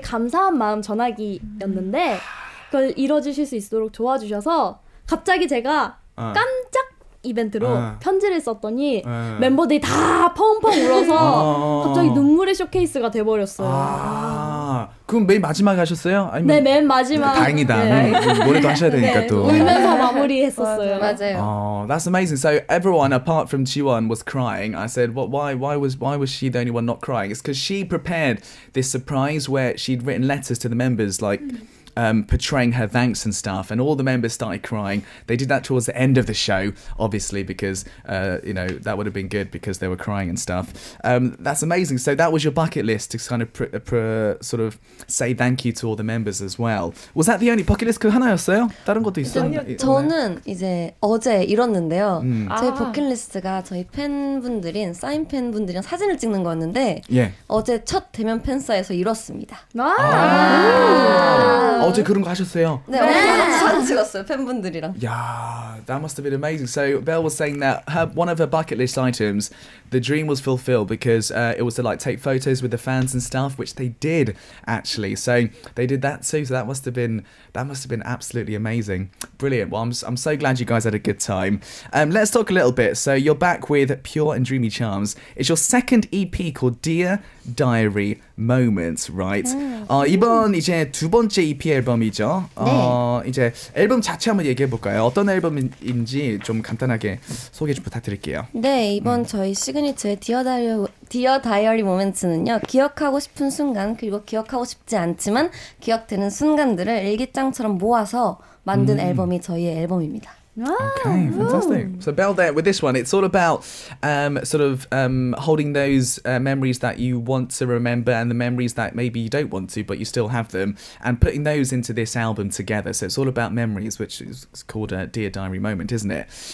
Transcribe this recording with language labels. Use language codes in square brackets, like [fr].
[ko] 감사한 마음 전하기였는데 그걸 이뤄주실 수 있도록 도와주셔서 갑자기 제가 깜짝 이벤트로 편지를 썼더니 멤버들이 다 펑펑 울어서 갑자기 눈물의 쇼케이스가 돼버렸어요. 그럼 맨 마지막에 하셨어요? 아니면 네, 맨 마지막. 다행이다. 뭐라도 네. 하셔야 되니까 네. 또. 울면서 마무리했었어요. 맞아요. [en] That's amazing. So everyone apart from Jiwon was crying. I said, "What? Why was she the only one not crying?" It's because she prepared this surprise where she'd written letters to the members like. Portraying her thanks and stuff, and all the members started crying. They did that towards the end of the show, obviously, because you know that would have been good because they were crying and stuff. That's amazing. So that was your bucket list to kind of sort of say thank you to all the members as well. Was that the only bucket list? [ko] 그 하나였어요? 다른 것도 있었나요? 저는 이제 어제 이뤘는데요. 제 bucket list가 저희 팬분들인 사인 팬분들이랑 사진을 찍는 거였는데 [en] yeah. [ko] 어제 첫 대면 팬싸에서 이뤘습니다. 아. 어제 그런 거 하셨어요? 네, 네. 사진 찍었어요 팬분들이랑. [en] Yeah, that must have been amazing. So Belle was saying that her one of her bucket list items, the dream was fulfilled because it was to like take photos with the fans and stuff, which they did actually. So they did that too. So that must have been absolutely amazing. Brilliant. Well, I'm so glad you guys had a good time. Let's talk a little bit. So you're back with Pure and Dreamy Charms. It's your second EP called Dear Diary Moments, right? [ko] 이번 이제 두 번째 EP 앨범이죠. 이제 앨범 자체 한번 얘기해 볼까요? 어떤 앨범인지 좀 간단하게 소개 좀 부탁드릴게요. 네, 이번 저희 시그니처의 Dear Diary Moments는요. 기억하고 싶은 순간 그리고 기억하고 싶지 않지만 기억되는 순간들을 일기장처럼 모아서 만든 앨범이 저희의 앨범입니다. [en] Okay, fantastic. Whoa. So Belle, there with this one, it's all about holding those memories that you want to remember and the memories that maybe you don't want to, but you still have them, and putting those into this album together. So it's all about memories, which is called a Dear Diary Moment, isn't it?